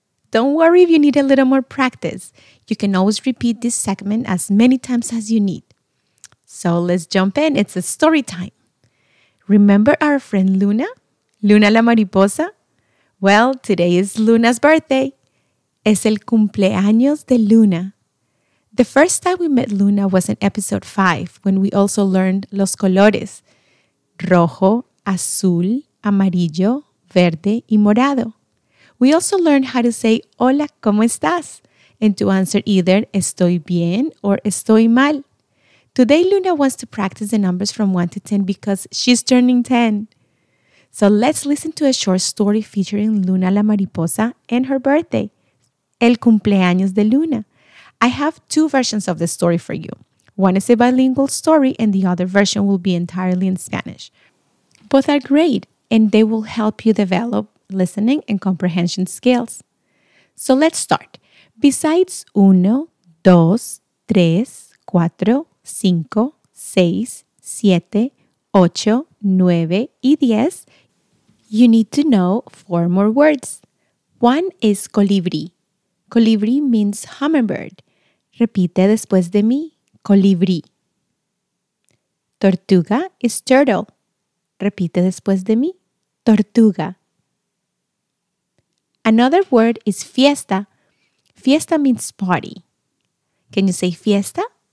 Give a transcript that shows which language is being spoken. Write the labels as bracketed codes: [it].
[en] Don't worry if you need a little more practice. You can always repeat this segment as many times as you need. So let's jump in. It's a story time. Remember our friend Luna? [es] Luna la mariposa? [en] Well, today is Luna's birthday. [es] Es el cumpleaños de Luna. [en] The first time we met Luna was in episode 5, when we also learned [es] los colores. Rojo, azul, amarillo, verde y morado. [en] We also learned how to say, [es] hola, ¿cómo estás? [en] And to answer either, [es] estoy bien [en] or [es] estoy mal. [en] Today, Luna wants to practice the numbers from 1 to 10 because she's turning 10. So let's listen to a short story featuring Luna la Mariposa and her birthday, El Cumpleaños de Luna. I have 2 versions of the story for you. One is a bilingual story and the other version will be entirely in Spanish. Both are great and they will help you develop listening and comprehension skills. So let's start. Besides 1, 2, 3, 4, 5, 6, 7, 8, 9, y 10, you need to know 4 more words. 1 is colibrí. Colibrí means hummingbird. [es] Repite después de mí, colibrí. [en] Tortuga is turtle. [es] Repite después de mí, tortuga. [en] Another word is fiesta. Fiesta means party. Can you say fiesta?